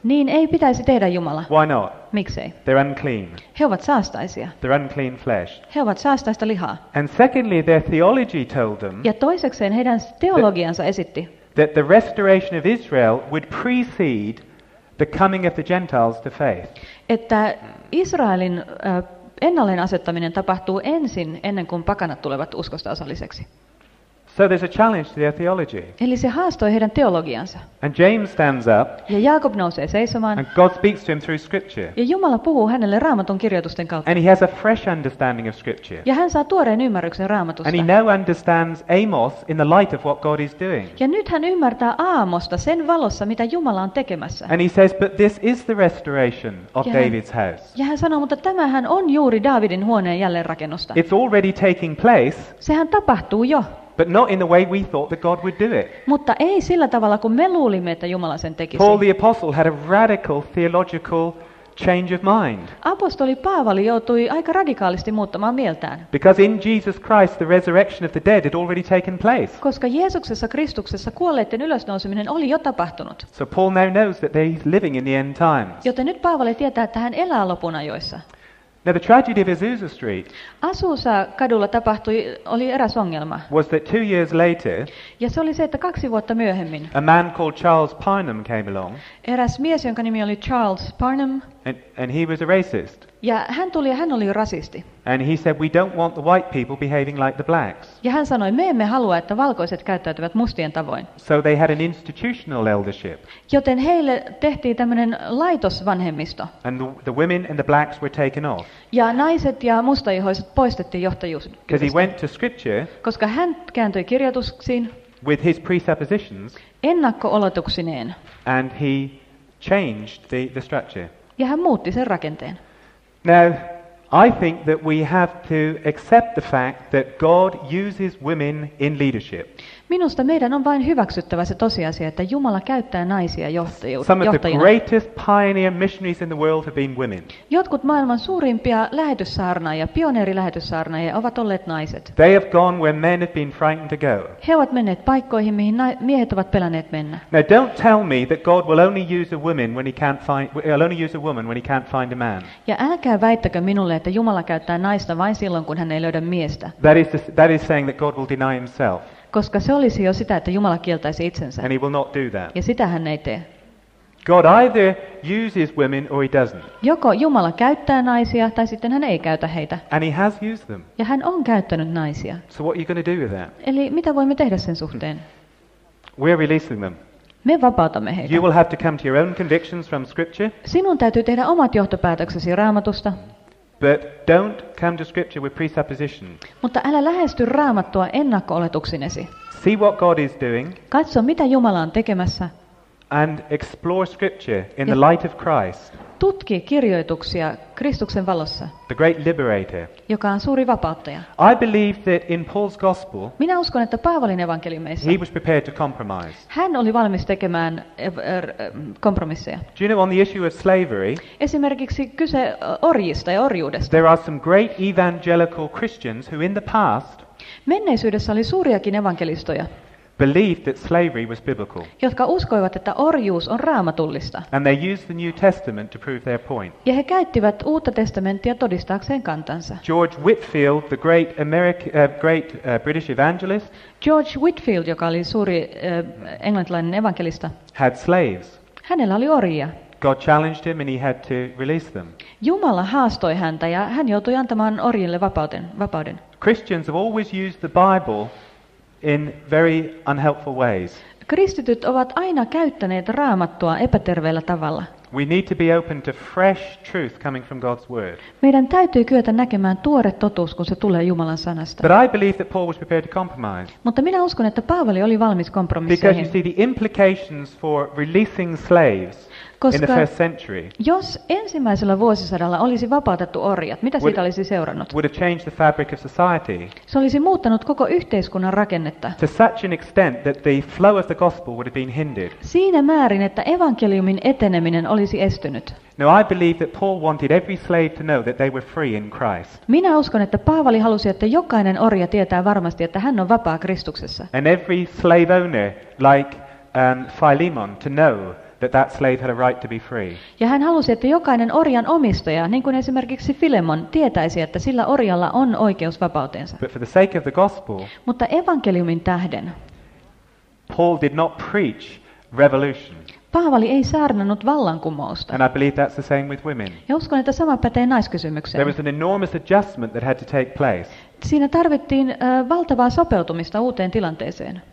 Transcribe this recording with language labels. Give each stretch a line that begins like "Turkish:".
Finnish: Niin ei pitäisi tehdä Jumala.
English: Why not?
Finnish: Miksei?
English: They're unclean.
Finnish: He ovat saastaisia.
English: They're unclean flesh.
Finnish: He ovat saastaista lihaa.
English: And secondly, their theology told them.
Finnish: Ja toisekseen heidän teologiansa esitti.
English: That the restoration of Israel would precede the coming of the Gentiles to faith.
Finnish: Että Israelin ennalleen asettaminen tapahtuu ennen kuin pakanat tulevat uskosta osalliseksi.
English: So there's a challenge to their theology.
Finnish: Eli se haastoi heidän teologiansa.
English: And James stands up.
Finnish: Ja Jaakob nousee seisomaan.
English: And God speaks to him through scripture.
Finnish: Ja Jumala puhuu hänelle Raamatun kirjoitusten kautta.
English: And he has a fresh understanding of scripture.
Finnish: Ja hän saa tuoreen ymmärryksen Raamatusta.
English: And he now understands Amos in the light of what God is doing.
Finnish: Ja nyt hän ymmärtää Aamosta sen valossa, mitä Jumala on tekemässä.
English: And he says, but this is the restoration of David's house.
Finnish: Ja hän sanoo, mutta tämähän on juuri Daavidin huoneen jälleenrakennusta.
English: It's already taking place.
Finnish: Sehän tapahtuu jo.
English: But not in the way we thought that God would do it.
Finnish: Mutta ei sillä tavalla kuin me luulimme, että Jumala sen tekisi.
English: Paul the apostle had a radical theological change of mind.
Finnish: Apostoli Paavali joutui aika radikaalisti muuttamaan mieltään.
English: Because in Jesus Christ the resurrection of the dead had already taken place.
Finnish: Koska Jeesuksessa Kristuksessa kuolleiden ylösnouseminen oli jo tapahtunut.
English: So Paul now knows that he's living in the end times.
Finnish: Joten nyt Paavali tietää, että hän elää lopun ajoissa.
English: Now the tragedy of Azusa Street.
Finnish: Azusa kadulla tapahtui oli eräs ongelma.
English: Was that 2 years later?
Finnish: Ja se oli se, että 2 vuotta myöhemmin.
English: A man called Charles Parnham came along.
Finnish: Eräs mies, jonka nimi oli Charles Parnham.
English: And he was a racist.
Finnish: Ja hän tuli ja hän oli rasisti.
English: And he said, we don't want the white people behaving like the blacks.
Finnish: Ja hän sanoi, me emme halua, että valkoiset käyttäytyvät mustien tavoin.
English: So they had an institutional eldership.
Finnish: Joten heille tehtiin tämmöinen laitosvanhemmisto.
English: And the women and the blacks were taken off.
Finnish: Ja naiset ja mustaihoiset poistettiin johtajuudesta.
English: Because he went to scripture.
Finnish: Koska hän kääntyi kirjoituksiin.
English: With his presuppositions.
Finnish: Ennakko-oletuksineen.
English: And he changed the structure.
Finnish: Ja hän muutti sen rakenteen.
English: Now, I think that we have to accept the fact that God uses women in leadership.
Finnish: Minusta meidän on vain hyväksyttävä se tosiasia, että Jumala käyttää naisia johtajina.
English: Some of the greatest pioneer missionaries in the world have been women.
Finnish: Jotkut maailman suurimpia lähetyssaarnaajia, pioneerilähetyssaarnaajia ovat olleet naiset.
English: They have gone where men have been frightened to go.
Finnish: He ovat menneet paikkoihin, mihin miehet ovat pelänneet mennä.
English: Now don't tell me that God will only use a woman when he can't find, will only use a woman when he can't find a man.
Finnish: Ja älkää väittäkö minulle, että Jumala käyttää naista vain silloin, kun hän ei löydä miestä.
English: That is saying that God will deny himself.
Finnish: Koska se olisi jo sitä, että Jumala kieltäisi itsensä.
English: And he will not do that.
Finnish: Ja sitä hän ei tee.
English: God either uses women or he doesn't.
Finnish: Joko Jumala käyttää naisia tai sitten hän ei käytä heitä.
English: And he has used them.
Finnish: Ja hän on käyttänyt naisia.
English: So what are you going to do with that?
Finnish: Eli mitä voimme tehdä sen suhteen?
English: We're releasing them.
Finnish: Me vapautamme heitä.
English: You will have to come to your own convictions from scripture.
Finnish: Sinun täytyy tehdä omat johtopäätöksesi Raamatusta.
English: But don't come to scripture with presupposition.
Finnish: Mutta älä lähesty Raamattua ennakko-oletuksinesi.
English: See what God is doing.
Finnish: Katso mitä Jumala on tekemässä.
English: And explore scripture in the light of Christ.
Finnish: Tutki kirjoituksia Kristuksen valossa.
English: The great liberator.
Finnish: Joka on suuri vapauttaja.
English: I believe that in Paul's gospel.
Finnish: Minä uskon, että Paavalin evankeliumissa.
English: He was prepared to compromise.
Finnish: Hän oli valmis tekemään kompromisseja.
English: Do you know on the issue of slavery?
Finnish: Esimerkiksi kyse orjista ja orjuudesta.
English: There are some great evangelical Christians who in the past.
Finnish: Menneisyydessä oli suuriakin evankelistoja.
English: Believed that slavery was biblical.
Finnish: Jotka uskoivat, että orjuus on raamatullista.
English: And they used the New Testament to prove their point.
Finnish: Ja he käyttivät Uutta testamenttia todistaakseen kantansa.
English: George Whitefield, the great British evangelist.
Finnish: George Whitefield, joka oli suuri englantilainen evankelista.
English: Had slaves.
Finnish: Hänellä oli orjia.
English: God challenged him and he had to release them.
Finnish: Jumala haastoi häntä ja hän joutui antamaan orjille vapauden.
English: Christians have always used the Bible in very unhelpful ways.
Finnish: Kristityt ovat aina käyttäneet Raamattua epäterveellä tavalla.
English: We need to be open to fresh truth coming from God's word.
Finnish: Meidän täytyy kyetä näkemään tuore totuus, kun se tulee Jumalan sanasta.
English: But I believe that Paul was prepared to compromise.
Finnish: Mutta minä uskon, että Paavali oli valmis kompromisseihin.
English: Because you see the implications for releasing slaves.
Finnish: Koska
English: in the first century,
Finnish: jos ensimmäisellä vuosisadalla olisi vapautettu orjat, mitä siitä olisi seurannut?
English: Would it change the fabric of society?
Finnish: Se olisi muuttanut koko yhteiskunnan rakennetta.
English: To such an extent that the flow of the gospel would have been hindered.
Finnish: Siinä määrin, että evankeliumin eteneminen olisi estynyt.
English: Now I believe that Paul wanted every slave to know that they were free in Christ.
Finnish: Minä uskon, että Paavali halusi, että jokainen orja tietää varmasti, että hän on vapaa Kristuksessa.
English: And every slave owner, like Philemon, to know that slave had a right to be free.
Finnish: Ja hän halusi, että jokainen orjan omistaja, niin kuin esimerkiksi Filemon, tietäisi, että sillä orjalla on oikeus vapauteensa.
English: But for the sake of the gospel,
Finnish: mutta evankeliumin tähden,
English: Paul did not preach revolution.
Finnish: Paavali ei saarnannut vallankumousta.
English: And I believe that's the same with women.
Finnish: Ja uskon, että sama pätee naiskysymykseen.
English: There was an enormous adjustment that had to take place.
Finnish: Siinä tarvittiin valtavaa sopeutumista uuteen tilanteeseen.